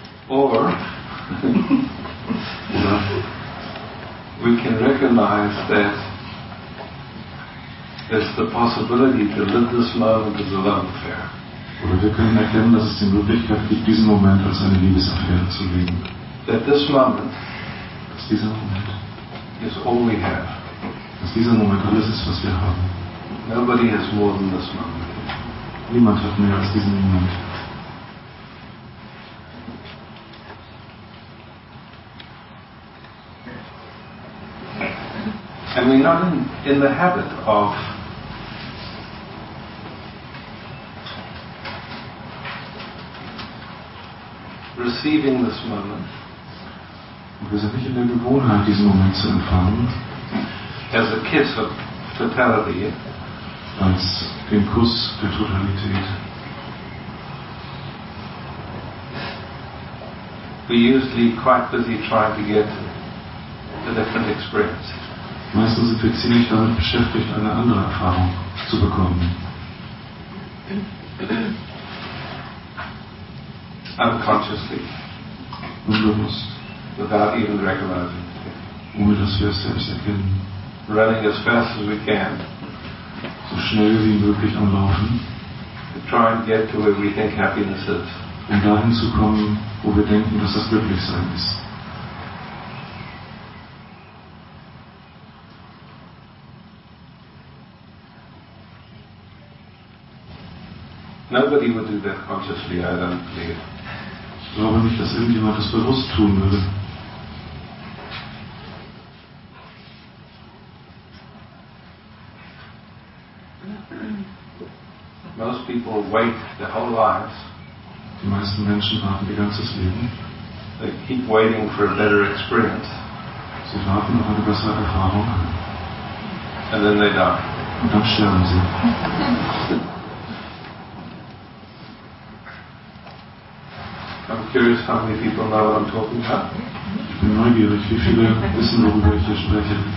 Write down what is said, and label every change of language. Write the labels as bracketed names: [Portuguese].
[English] Or we can recognize that it's the possibility to live this moment as a love affair. [German] Oder wir können erkennen, dass es die Möglichkeit gibt, diesen Moment als eine Liebesaffäre zu leben. [English] That this moment, [German] dass dieser Moment, [English] is all we have. [German] Dass dieser Moment alles ist, was wir haben. [English] Nobody has more than this moment. [German] Niemand hat mehr als diesen Moment. [English] And we're not in the habit of receiving this moment. [German] Und wir sind nicht in der Gewohnheit, diesen Moment zu empfangen. [English] As a kiss of totality. [German] Als den Kuss der Totalität. [English] We usually quite busy trying to get a different experience. [German] Meistens sind wir ziemlich damit beschäftigt, eine andere Erfahrung zu bekommen. [English] Unconsciously. [German] Unbewusst. [English] Without even recognizing. [German] Ohne dass wir es selbst erkennen. [English] Running as fast as we can. [German] So schnell wie möglich am Laufen. [English] To try and get to where we think happiness is. [German] Um dahin zu kommen, wo wir denken, dass das Glücklichsein ist. [English] Nobody would do that consciously, I don't believe. [German] Ich glaube nicht, dass irgendjemand das bewusst tun würde. [English] Most people wait their whole lives. [German] Die meisten Menschen warten ihr ganzes Leben. [English] They keep waiting for a better experience. [German] Sie warten auf eine bessere Erfahrung. [English] And then they die. [German] Und dann sterben sie. [English] I'm curious how many people know what I'm talking about. [German] Ich bin neugierig, wie viele wissen, worüber ich hier spreche.